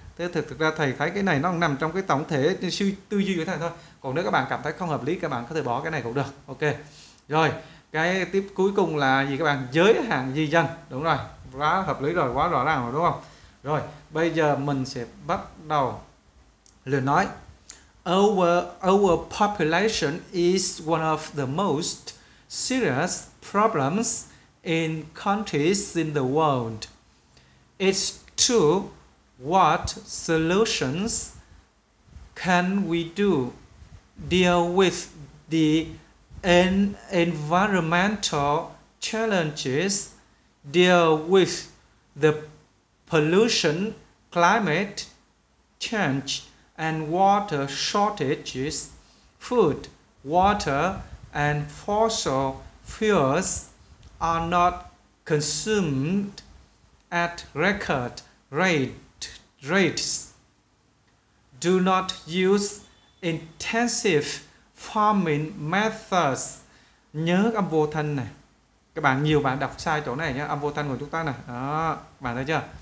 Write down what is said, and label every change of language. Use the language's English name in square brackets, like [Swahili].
[Vietnamese] Thế thực ra thầy thấy cái này nó nằm trong cái tổng thể tư duy của thầy thôi. Còn nếu các bạn cảm thấy không hợp lý, các bạn có thể bỏ cái này cũng được. Ok. Rồi, cái tiếp cuối cùng là gì các bạn? Giới hạn di dân. Đúng rồi, quá hợp lý rồi, quá rõ ràng rồi đúng không? Rồi, bây giờ mình sẽ bắt đầu lượt nói. [English] Our population is one of the most serious problems in countries in the world. It's true. What solutions can we do deal with the environmental challenges, deal with the pollution, climate change and water shortages, food, water and fossil fuels are not consumed at record rates, do not use intensive farming methods. [Vietnamese] Nhớ âm vô thanh này, các bạn, nhiều bạn đọc sai chỗ này nhé, âm vô thanh của chúng ta này đó, bạn thấy chưa?